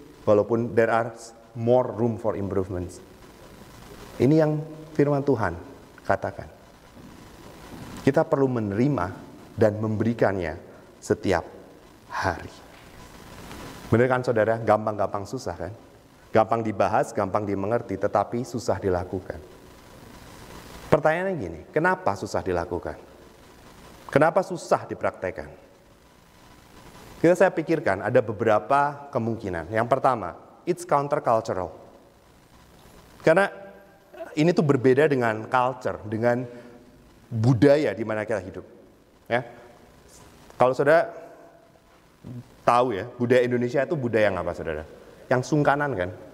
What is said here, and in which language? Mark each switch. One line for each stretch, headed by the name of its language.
Indonesian: Walaupun
English: there are more room for improvements.
Indonesian: Ini yang firman Tuhan katakan. Kita perlu menerima dan memberikannya setiap hari. Benar kan saudara, gampang-gampang susah kan? Gampang dibahas, gampang dimengerti, tetapi susah dilakukan. Pertanyaannya gini, kenapa susah dilakukan? Kenapa susah dipraktekkan? Kita saya pikirkan ada beberapa kemungkinan. Yang pertama,
English: it's countercultural.
Indonesian: Karena ini tuh berbeda dengan culture, dengan budaya di mana kita hidup. Ya. Kalau saudara tahu ya, budaya Indonesia itu budaya yang apa saudara? Yang sungkanan kan?